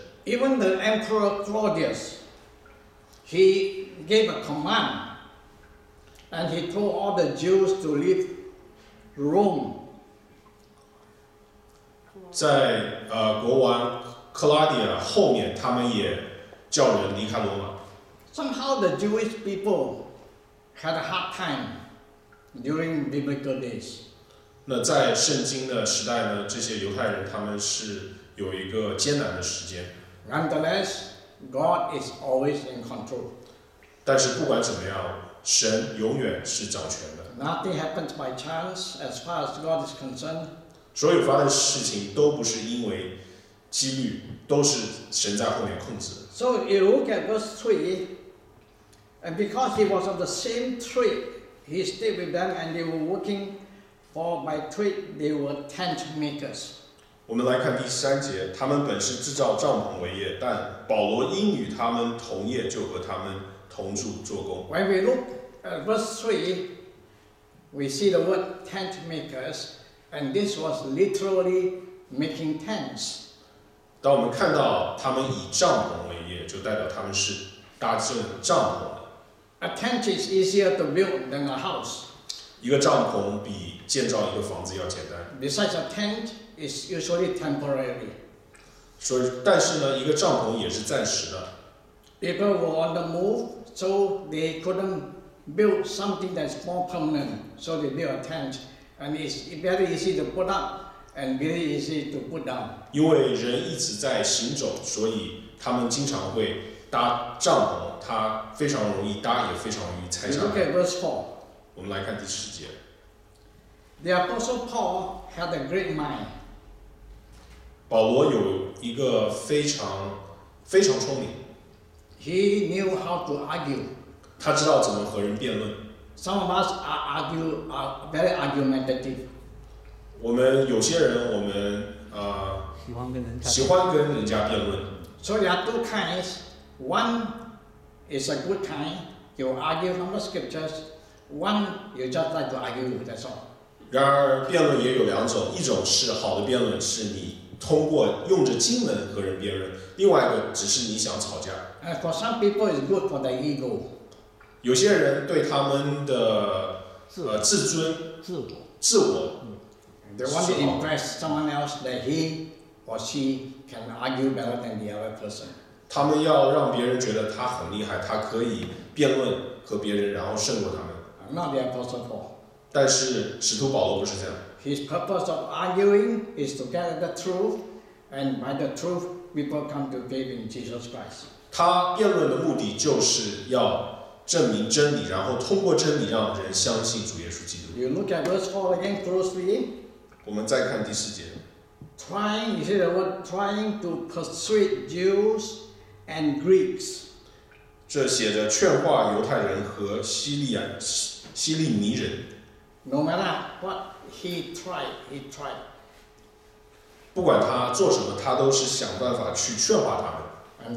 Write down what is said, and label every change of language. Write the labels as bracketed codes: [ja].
[en] Even the Emperor Claudius, he gave a command And he told all the Jews to leave Rome. [zh] 在国王克拉迪亚后面，他们也叫人离开罗马。 [en] Somehow the Jewish people had a hard time during biblical days. [zh] 那在圣经的时代呢？这些犹太人他们是有一个艰难的时间。 [en] Nonetheless, God is always in control. [zh] 但是不管怎么样，神永远是掌权的。 [en] Nothing happens by chance, as far as God is concerned. [zh] 所有发生的事情都不是因为机遇，都是神在后面控制。 [en] So you look at verse 3, and because he was of the same trade, he stayed with them, and they were working for by trade, they were tent makers. [zh] 我们来看第三节，他们本是制造帐篷为业，但保罗因与他们同业，就和他们同住做工。 [en] When we look at verse 3, we see the word tent makers, and this was literally making tents. [zh] 当我们看到他们以帐篷为业，就代表他们是搭建帐篷的。 [en] A tent is easier to build than a house. [zh] 一个帐篷比建造一个房子要简单。 [en] Besides, a tent is usually temporary. [zh] 所以，但是呢，一个帐篷也是暂时的。 [en] People were on the move, so they couldn't build something that's more permanent. So they built a tent, and it's very easy to put up. And very easy to put down. [zh] 因为人一直在行走，所以他们经常会搭帐篷，它非常容易搭，也非常容易拆下来。 [en] Look at verse 4. [zh] 我们来看第十节。 [en] The apostle Paul had a great mind. [zh] 保罗有一个非常聪明。 [en] He knew how to argue. [zh] 他知道怎么和人辩论。 [en] Some of us are very argumentative. [zh] 我们有些人，我们喜欢跟人家辩论。 [en] So there are two kinds. One is a good kind. You argue from the scriptures. One you just like to argue. That's all. [zh] 然而，辩论也有两种。一种是好的辩论，是你通过用着经文和人辩论；另外一个只是你想吵架。 [en] And for some people, it's good for their ego. [zh] 有些人对他们的自尊、自我。 [en] They want to impress someone else that he or she can argue better than the other person. [zh] 他们要让别人觉得他很厉害，他可以辩论和别人，然后胜过他们。 [en] Not the Apostle Paul. [zh] 但是使徒保罗不是这样。 [en] His purpose of arguing is to get the truth, and by the truth, people come to faith in Jesus Christ. [zh] 他辩论的目的就是要证明真理，然后通过真理让人相信主耶稣基督。 [en] You look at verse 4 again closely. [zh] 我们再看第四节。 [en] Trying, you see the word trying to persuade Jews and Greeks. [zh] 这写着劝化犹太人和希利尼人。 [en] No matter what he tried, he tried. [zh] 不管他做什么，他都是想办法去劝化他们。